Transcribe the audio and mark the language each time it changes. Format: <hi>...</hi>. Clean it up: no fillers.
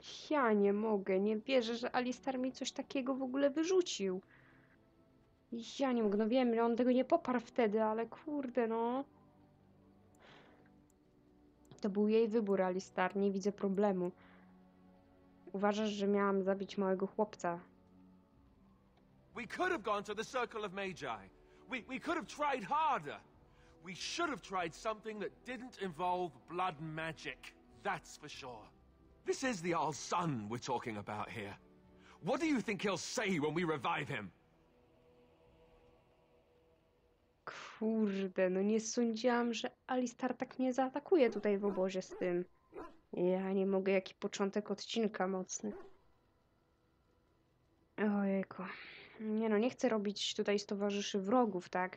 <pl>Ja nie mogę, nie wierzę, że Alistar mi coś takiego w ogóle wyrzucił. Ja nie mogę, no wiem, że on tego nie poparł wtedy, ale kurde no. To był jej wybór, Alistar, nie widzę problemu. Uważasz, że miałam zabić małego chłopca?</pl> <en>We could have gone to the Circle of Magi. We could have tried harder. We should have tried something that didn't involve blood magic. That's for sure. This is the Earl's son we're talking about here. What do you think he'll say when we revive him?</en> <pl>Kurde, no nie sądziłam, że Alistar tak mnie zaatakuje tutaj w obozie z tym. Ja nie mogę, jaki początek odcinka mocny. Ojejku. Nie no, nie chcę robić tutaj z towarzyszy wrogów, tak?</pl>